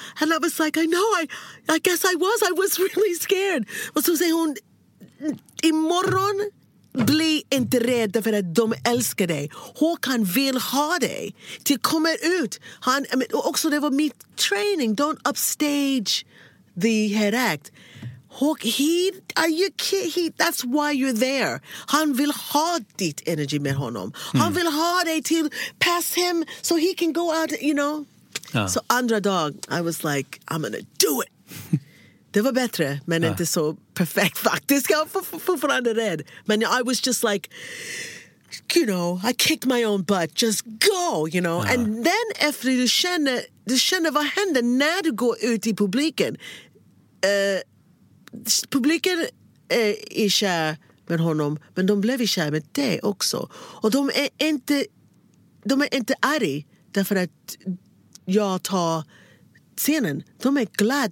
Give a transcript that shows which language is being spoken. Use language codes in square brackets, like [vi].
[en] And I was like, I know, I guess I was really scared. [sv] Och så säger hon, imorgon bli inte rädd för att de älskar dig. Håkan vill ha dig till komma ut. Han, också det var mitt training, [en] don't upstage the head act. That's why you're there. [sv] Han vill ha ditt energi med honom. Han vill ha dig till [en] pass him so he can go out, you know. [sv] Ja. [en] So [sv] andra dag, [en] I was like, I'm gonna do it. [sv] Det var bättre, men inte så perfekt faktiskt. Jag var fortfarande rädd. [en] Men I was just like, you know, I kicked my own butt. Just go, you know. [sv] Ja. And then efter du känner vad händer när du går ut i publiken. Publiken är kär med honom, men de blev kär med dig också. Och de är inte arg därför att jag tar scenen. De är glada.